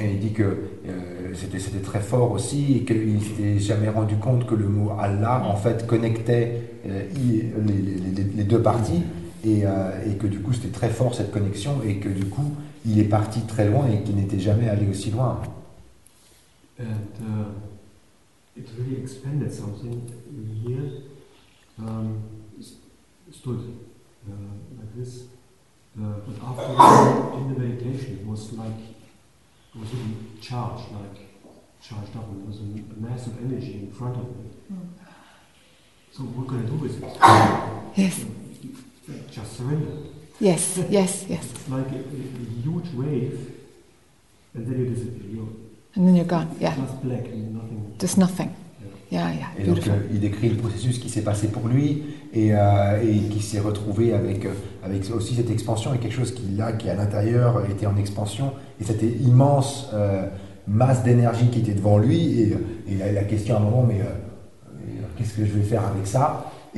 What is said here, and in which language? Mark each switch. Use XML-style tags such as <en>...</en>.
<fr>Et il dit que c'était très fort aussi, et qu'il ne s'était jamais rendu compte que le mot Allah en fait connectait les deux parties, et que du coup c'était très fort cette connexion, et que du coup il est parti très loin et qu'il n'était jamais allé aussi loin.</fr> <en>And it really expanded something here, stood like this, but after in the meditation it was like it was really charged, like charged up, and there was a massive energy in front of me. So what can I do with it? Yes. Just surrender. Yes, yes, yes. It's like a huge wave, and then you disappear. And then you're gone, yeah. Just black and nothing. Just nothing. Yeah,</en> <fr>et donc il décrit le processus qui s'est passé pour lui, et qui s'est retrouvé avec aussi cette expansion, et quelque chose qui à l'intérieur était en expansion, et cette immense masse d'énergie qui était devant lui, et la question à un moment, mais qu'est-ce que je vais faire avec ça?</fr>